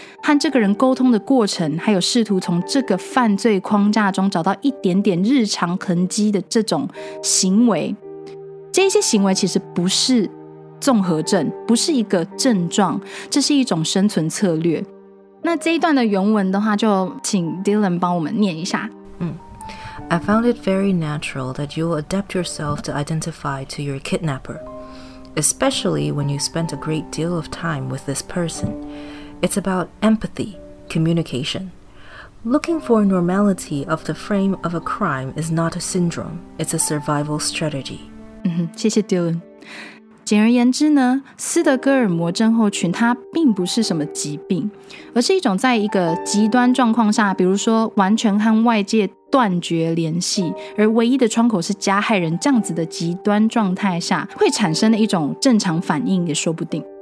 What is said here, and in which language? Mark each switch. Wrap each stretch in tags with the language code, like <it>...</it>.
<zh>和这个人沟通的过程，还有试图从这个犯罪框架中找到一点点日常痕迹的这种行为，这些行为其实不是综合症，不是一个症状，这是一种生存策略。那这一段的原文的话，就请 Dylan 帮我们念一下。</zh> <en>I found it very natural that you will adapt yourself to identify to your kidnapper, especially when you spent a great deal of time with this person. It's about empathy, communication. Looking for normality of the frame of a crime is not a syndrome, it's a survival strategy.</en> <zh>谢谢 Dylan。简而言之呢，斯德哥尔摩症候群它并不是什么疾病，而是一种在一个极端状况下，比如说完全和外界断绝联系，而唯一的窗口是加害人这样子的极端状态下会产生的一种正常反应也说不定。</zh>